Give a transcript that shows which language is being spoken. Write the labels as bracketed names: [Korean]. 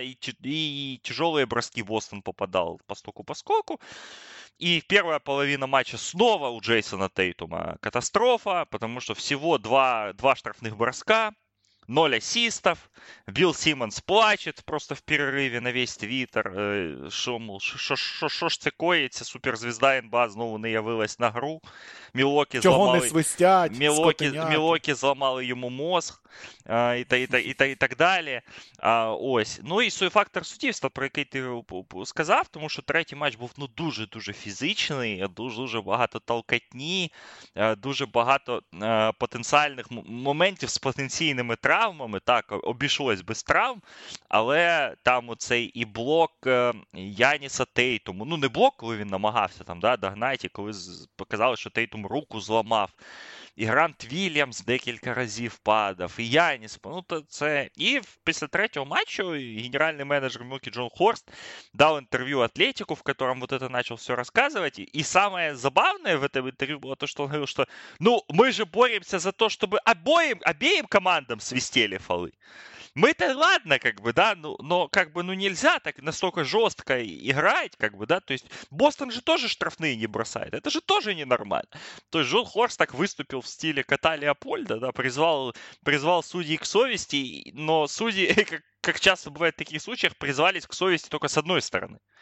[Russian] И тяжелые броски Бостон попадал постольку-поскольку. И первая половина матча снова у Джейсона Тейтума катастрофа. Потому что всего два штрафных броска. Ноль ассистов. Билл Симмонс плачет просто в перерыве на весь твиттер. [Ukrainian] Шо ж це коїться, суперзвезда НБА знову не явилась на гру. Мілокі чого зламали... не свистять, скотиняти. Мілокі зламали йому мозг. І так далі. Ось. Ну і свій фактор суттєвства, про який ти сказав, тому що третій матч був ну, дуже-дуже фізичний, дуже-дуже багато толкотні, дуже багато потенціальних моментів з потенційними травмами, так, обійшлось без травм, але там оцей і блок Яніса Тейтуму, ну не блок, коли він намагався там, да, догнати, коли показали, що Тейтум руку зламав, і Грант Вільямс декілька разів падав, і Яніс, ну то це, і після третього матчу генеральний менеджер Мілуокі Джон Хорст дав інтерв'ю Атлетику, [Russian] в котором вот это начал все рассказывать, і самое забавное в этом интервью было то, что он говорил, что, ну, мы же боремся за то, чтобы обеим командам свистели фолы. Мы-то ладно, как бы, да, ну, но как бы, ну, нельзя так настолько жестко играть, как бы, да, то есть Бостон же тоже штрафные не бросает, это же тоже ненормально. То есть Джон Хорст так выступил в стиле кота Леопольда, да, призвал судей к совести, но судьи, как часто бывает в таких случаях, призвались к совести только с одной стороны.